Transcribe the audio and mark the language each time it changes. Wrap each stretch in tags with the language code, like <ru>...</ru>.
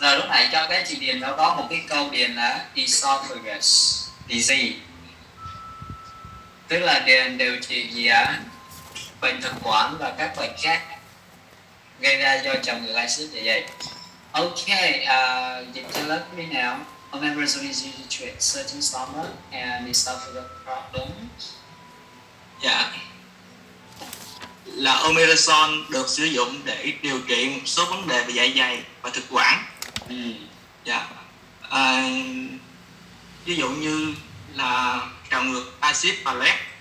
<vi>Rồi lúc nãy cho các chị điền nó có một cái câu điền là esophagus disease. Tức là điền điều trị gì ạ? Bệnh thực quản và các bệnh khác gây ra do trầm ngược axit như vậy. Ok, dịch cho lớp đi nào.</vi> <en>Omeprazole is used to treat certain stomach and esophagus problems.</en> <vi>Dạ. Là omeprazole được sử dụng để điều trị một số vấn đề về dạ dày và thực quản. Dạ. Ví dụ như là trào ngược axit và loét.</vi>